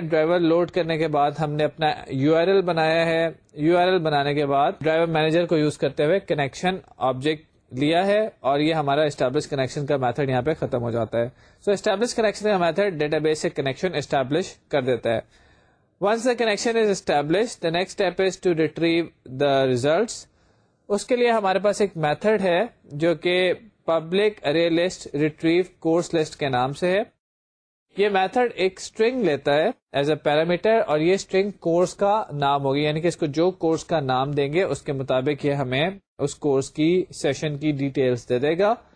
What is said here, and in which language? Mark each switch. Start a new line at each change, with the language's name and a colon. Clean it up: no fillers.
Urdu: Driver load کرنے کے بعد ہم نے اپنا یو آر ایل بنایا ہے. یو آر ایل بنانے کے بعد ڈرائیور مینیجر کو یوز کرتے ہوئے کنیکشن آبجیکٹ لیا ہے اور یہ ہمارا اسٹیبلش کنیکشن کا میتھڈ یہاں پہ ختم ہو جاتا ہے. سو اسٹیبلش کنیکشن کا میتھڈ ڈیٹا بیس سے کنیکشن اسٹیبلش کر دیتا ہے.
English: Once the connection is established, the next step is to retrieve the results.
Urdu: اس کے لیے ہمارے پاس ایک میتھڈ ہے جو کہ public array list retrieve course list کے نام سے ہے. یہ میتھڈ ایک اسٹرنگ لیتا ہے
English: as a parameter
Urdu: اور یہ اسٹرنگ کورس کا نام ہوگی, یعنی کہ اس کو جو کورس کا نام دیں گے اس کے مطابق یہ ہمیں اس کورس کی سیشن کی ڈیٹیلس دے دے گا.